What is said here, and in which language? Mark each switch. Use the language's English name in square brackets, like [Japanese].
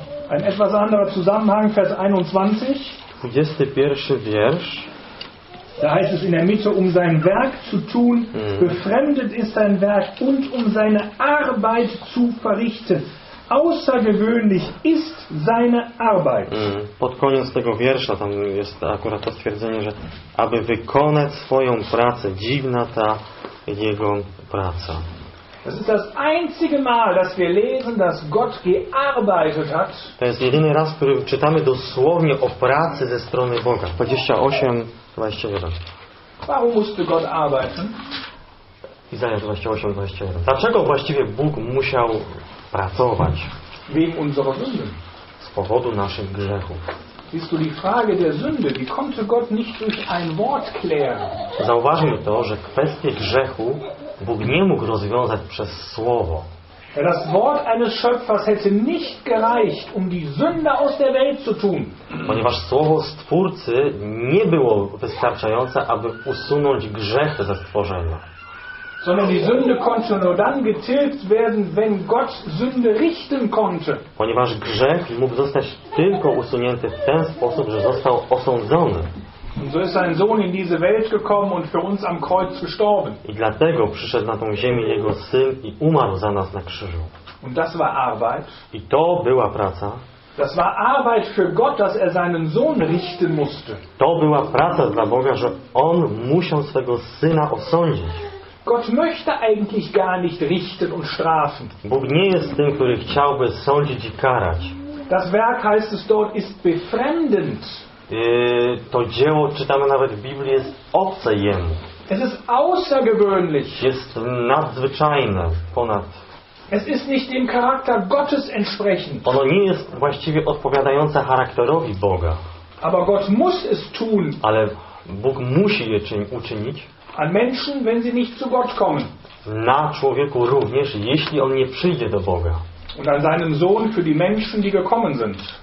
[German] Ein etwas anderer Zusammenhang, Vers 21. [Polish] 21. wiersz. [German] Da heißt es in der Mitte, um sein Werk zu tun, befremdet ist sein Werk und um seine Arbeit zu verrichten. Außergewöhnlich ist seine Arbeit. [Polish] Pod koniec tego wiersza tam jest akurat to stwierdzenie, że aby wykonać swoją pracę, dziwna ta jego praca. [German] Das ist das einzige Mal, dass wir lesen, dass Gott gearbeitet hat. [Polish] To jest jedyny raz, w którym czytamy dosłownie o pracy ze strony Boga. 28, 21. [German] Warum musste Gott arbeiten? [Polish] Izajasz 28, 21. Dlaczego właściwie Bóg musiał pracować? [German] Wegen unserer Sünden. [Polish] Z powodu naszych grzechów. [German] Siehst du die Frage der Sünde? Wie konnte Gott nicht durch ein Wort klären? [Polish] Zauważmy to, że kwestię grzechu Bóg nie mógł rozwiązać przez słowo. [German] Das Wort eines Schöpfers hätte nicht gereicht, um die Sünde aus der Welt zu tun. [Polish] Ponieważ słowo Stwórcy nie było wystarczające, aby usunąć grzechy ze stworzenia. [German] Sondern die Sünde konnte nur dann getilgt werden, wenn Gott Sünde richten konnte. [Polish] Ponieważ grzech mógł zostać tylko usunięty w ten sposób, że został osądzony. [German] Und so ist sein Sohn in diese Welt gekommen und für uns am Kreuz gestorben. [Polish] I dlatego przyszedł na tą ziemię jego syn i umarł za nas na krzyżu. [German] Und das war Arbeit. [Polish] I to była praca. [German] Das war Arbeit für Gott, dass er seinen Sohn richten musste. [Polish] To była praca dla Boga, że on musiał swego syna osądzić. [German] Gott möchte eigentlich gar nicht richten und strafen. [Polish] Bóg nie jest tym, który chciałby sądzić i karać. [German] Das Werk heißt es dort ist befremdend. [Polish] To dzieło, czytamy nawet w Biblii, jest obce jemu. [German] Es ist außergewöhnlich. [Polish] Jest nadzwyczajne, ponad. [German] Es ist nicht dem Charakter Gottes entsprechend. [Polish] Ono nie jest właściwie odpowiadające charakterowi Boga. [German] Aber Gott muss es tun. [Polish] Ale Bóg musi je uczynić. [German] An Menschen, wenn sie nicht zu Gott kommen. [Polish] Na człowieku również, jeśli on nie przyjdzie do Boga. [German] Und an seinem Sohn für die Menschen, die gekommen sind.